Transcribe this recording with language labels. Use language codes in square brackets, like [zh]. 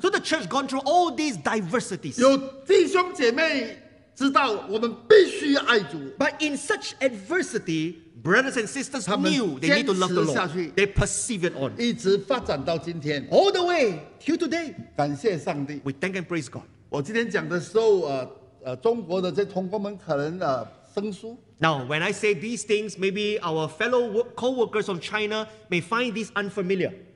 [en] So the church gone through all these diversities. [zh] 有弟兄姐妹 知道我们必须爱主, [en] but in such adversity, brothers and sisters knew they need to love the Lord. They persevered on. [zh] 一直发展到今天, [en] all the way till today. [zh] 感谢上帝, [en] we thank and praise God. [zh] 我今天讲的时候, 中国的这些同工们可能, 生疏, [en] now, when I say these things, maybe our fellow co-workers from China may find this unfamiliar.